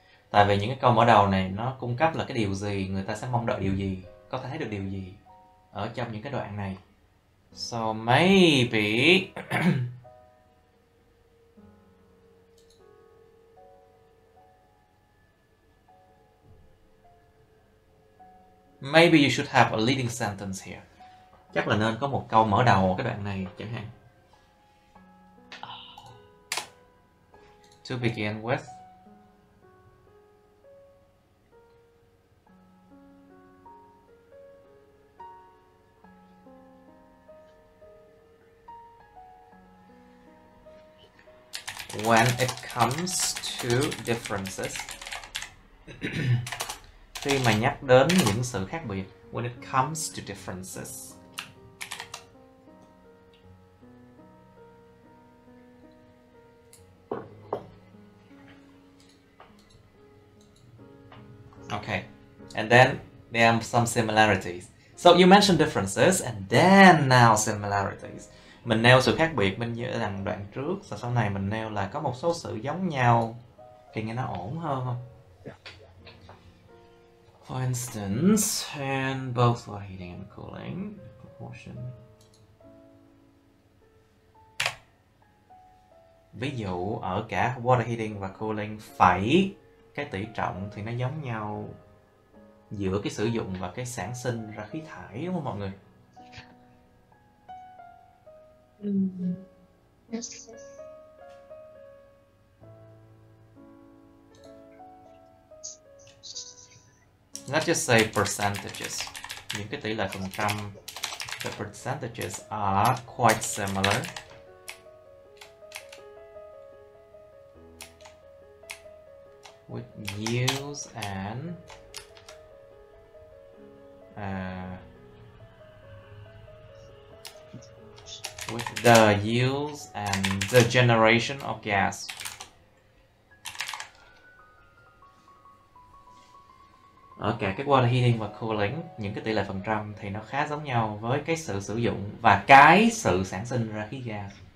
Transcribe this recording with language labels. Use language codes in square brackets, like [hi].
[vi] Tại vì những cái câu mở đầu này nó cung cấp là cái điều gì, người ta sẽ mong đợi điều gì, có thể thấy được điều gì ở trong những cái đoạn này. [en] So maybe maybe you should have a leading sentence here. [vi] Chắc là nên có một câu mở đầu cái đoạn này chẳng hạn. [en] To begin with. When it comes to differences. [vi] Khi mà nhắc đến những sự khác biệt. [en] When it comes to differences. Okay, and then there are some similarities. So you mentioned differences, and then now similarities. [vi] Mình nêu sự khác biệt, mình nhớ rằng đoạn trước, và sau này mình nêu là có một số sự giống nhau. Thì nghe nó ổn hơn không? [en] For instance, and both for heating and cooling, proportion. [vi] Ví dụ, ở cả water heating và cooling phải cái tỷ trọng thì nó giống nhau giữa cái sử dụng và cái sản sinh ra khí thải, đúng không mọi người? [en] Let's just say percentages. [vi] Những cái tỷ lệ phần trăm, [en] the percentages are quite similar. With yields and with the yields and the generation of gas. [vi] Ở cả cái water heating và cooling, những cái tỷ lệ phần trăm thì nó khá giống nhau với cái sự sử dụng và cái sự sản sinh ra khí gas.